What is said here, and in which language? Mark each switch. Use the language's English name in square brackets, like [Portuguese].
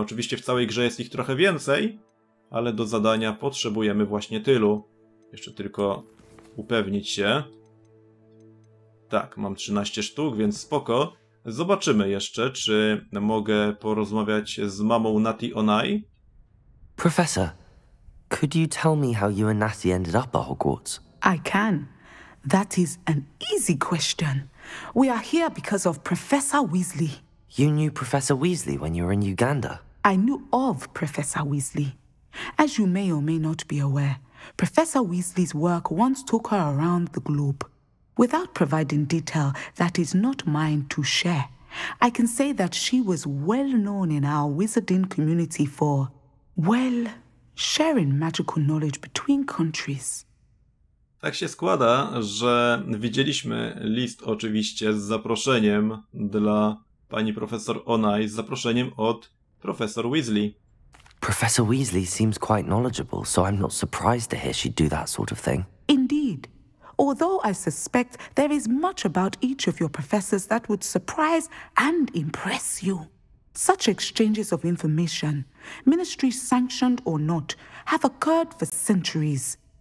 [Polish] Oczywiście w całej grze jest ich trochę więcej, ale do zadania potrzebujemy właśnie tylu. Jeszcze tylko upewnić się. Tak, mam 13 sztuk, więc spoko. Zobaczymy jeszcze, czy mogę porozmawiać z mamą Natty Onai. [English] Professor, could you tell me how you and Natty ended up at Hogwarts? I can. That is an easy question. We are here because of Professor Weasley. You knew Professor Weasley when you were in Uganda? I knew of Professor Weasley. As you may or may not be aware, Professor Weasley's work once took her around the globe. Without providing detail that is not mine to share, I can say that she was well known in our wizarding community for, well, sharing magical knowledge between countries. [Polish] Tak się składa, że widzieliśmy list oczywiście z zaproszeniem dla pani profesor Onai, z zaproszeniem od profesor Weasley. [English] Professor Weasley seems quite knowledgeable, so I'm not surprised to hear she'd do that sort of thing. Indeed. Although I suspect there is much about each of your professors that would surprise and impress you. Such exchanges of information, ministry sanctioned or not, have occurred for centuries.